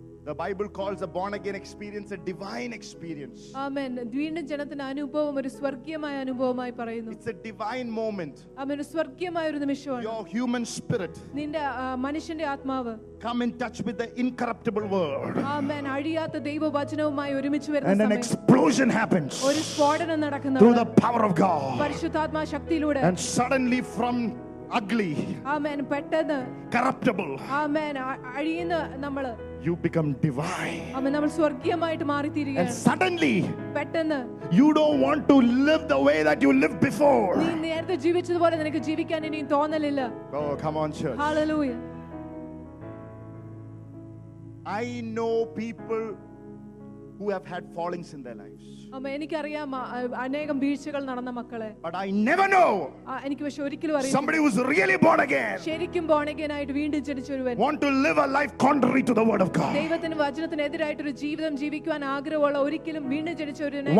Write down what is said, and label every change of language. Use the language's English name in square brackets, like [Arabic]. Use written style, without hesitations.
[English] The Bible calls a born again experience a divine experience. Amen. [Malayalam] ദ്വീണ ജനത്തിന്റെ അനുഭവം ഒരു സ്വർഗീയമായ അനുഭവമായി പറയുന്നു. [English] It's a divine moment. [Malayalam] അമേൻ. സ്വർഗീയമായ ഒരു നിമിഷമാണ്. [English] Your human spirit. [Malayalam] നിന്റെ മനുഷ്യന്റെ ആത്മാവ്. [English] Come in touch with the incorruptible word. Amen. [Malayalam] അഴിയാത്ത ദൈവവചനവുമായി ഒരുമിച്ച് വരുന്ന സമയം. [English] And an explosion happens. [Malayalam] ഒരു സ്ഫോടനം നടക്കുന്നു. [English] Through the power of God. [Malayalam] പരിശുദ്ധാത്മാ ശക്തിയിലൂടെ. [English] And suddenly from ugly. [Malayalam] Amen. പെട്ടെന്ന്. [English] Corruptible. [Malayalam] Amen. അഴിയുന്ന നമ്മൾ. [English] You become divine. [Malayalam] അമേൻ. നമ്മൾ സ്വർഗീയമായിട്ട് മാറി തിരിയുകയാണ്. [English] And suddenly. [Malayalam] പെട്ടെന്ന്. [English] You don't want to live the way that you lived before. നീ നേരത്തെ ജീവിച്ചതുപോലെ നിനക്ക് ജീവിക്കാൻ ഇനി തോന്നലില്ല. Oh, come on, church. Hallelujah. I know people who have had fallings in their lives. [Malayalam] അമേ. എനിക്ക് അറിയാം അനേകം വീഴ്ചകൾ നടന്ന മക്കളെ. [English] But I never know. [Malayalam] എനിക്ക് പക്ഷേ ഒരിക്കലും അറിയില്ല. [English] Somebody who's really born again. [Malayalam] ശരിക്കും born again ആയിട്ട് വീണ്ടും ജനിച്ചവൻ. [English] Want to live a life contrary to the word of God. [Malayalam] ദൈവത്തിന്റെ വചനത്തിന് എതിരായിട്ട് ഒരു ജീവിതം ജീവിക്കാൻ ആഗ്രഹമുള്ള ഒരിക്കലും വീണ്ടും ജനിച്ചവൻ.